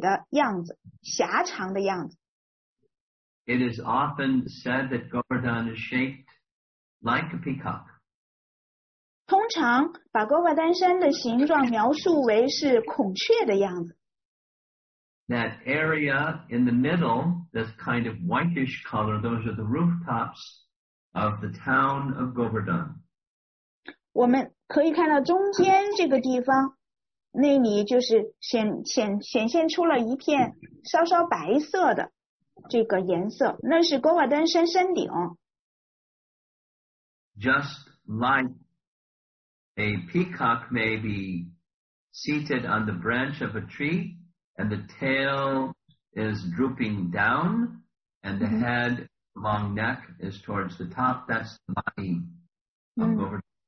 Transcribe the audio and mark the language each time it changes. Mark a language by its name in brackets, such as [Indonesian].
[Chinese] 我们在这张图片上可以从空中看到Govardhan山又长又窄的样子，狭长的样子。 [English] It is often said that Govardhan is shaped like a peacock. [Chinese] 通常把Govardhan山的形状描述为是孔雀的样子。 [English] That area in the middle, this kind of whitish color, those are the rooftops of the town of Govardhan. [Chinese] 我们可以看到中间这个地方，那里就是显现出了一片稍稍白色的这个颜色，那是Govardhan山山顶。 [English] Just like a peacock may be seated on the branch of a tree, and the tail is drooping down, and the head, long neck, is towards the top. That's the body of Govardhan.